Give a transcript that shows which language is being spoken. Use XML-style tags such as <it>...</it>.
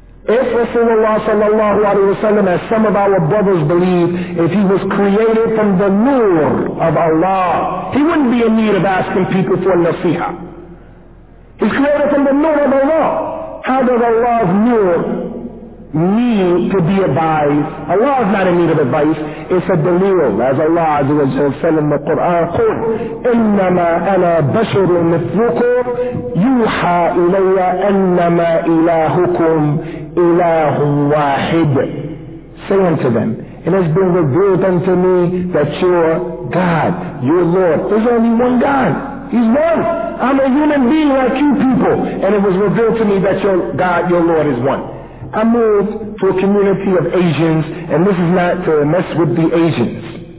<en>If Rasulullah sallallahu alayhi wa sallam, as some of our brothers believe, if he was created from the nur of Allah, he wouldn't be in need of asking people for nasiha. He's created from the nur of Allah. How does Allah's nur need to be advised? Allah is not in need of advice. It's a delil. As Allah Azza wa Jalla said in the Quran,</en> <ar>قُلْ إِنَّمَا أَنَا بَشَرٌ مِثْلُكُمْ يُوحَى إِلَيَّ أَنَّمَا إِلَهُكُمْ إِلَهٌ وَاحِدٌ.</ar> <en>Say unto them, it has been revealed unto me that your God, your Lord, there's only one God. He's one. I'm a human being like you people. And it was revealed to me that your God, your Lord is one. I moved to a community of Asians, and this is not to mess with the Asians.</en>